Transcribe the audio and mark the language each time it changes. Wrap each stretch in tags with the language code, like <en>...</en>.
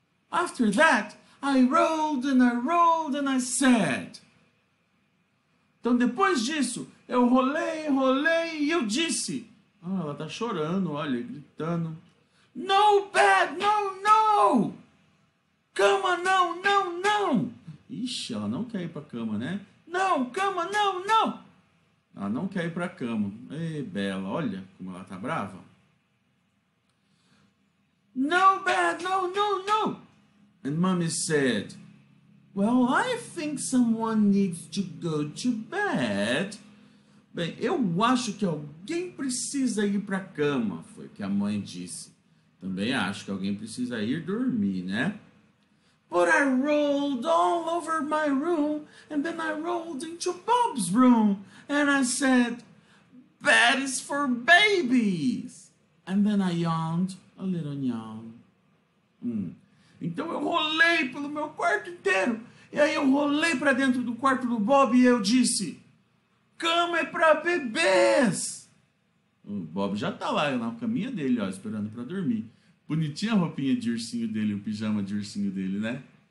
<en>After that, I rolled and I rolled and I said.</en> <pt>Então, depois disso, eu rolei, rolei e eu disse. Ah, ela tá chorando, olha, gritando.</pt> <en>No bed, no, no!</en> <pt>Cama, não, não, não! Ixi, ela não quer ir pra cama, né? Não, cama, não, não! Ela não quer ir para a cama. Ei, Bella, olha como ela tá brava.</pt> <en>No bed, no, no, no. And mommy said, well, I think someone needs to go to bed.</en> <pt>Bem, eu acho que alguém precisa ir para a cama, foi o que a mãe disse. Também acho que alguém precisa ir dormir, né?</pt> <en>But I rolled all over my room, and then I rolled into Bob's room, and I said, bed is for babies. And then I yawned, a little yawn.</en> <pt>Então eu rolei pelo meu quarto inteiro, e aí eu rolei para dentro do quarto do Bob e eu disse, cama é para bebês. O Bob já tá lá na caminha dele, ó, esperando pra dormir. Bonitinha a roupinha de ursinho dele, o pijama de ursinho dele, né?</pt>